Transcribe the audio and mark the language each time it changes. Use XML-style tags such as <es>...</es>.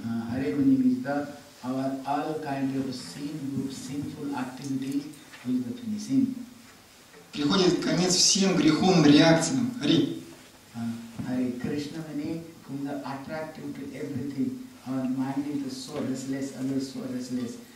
<en>Харе means is that our all kind of sinful activities is the finishing.</en> <ru>Приходит конец всем грехом реакциям. Хари.</ru> <en>Харе Кришна means is attractive to everything. Our mind is so restless, always so restless.</en>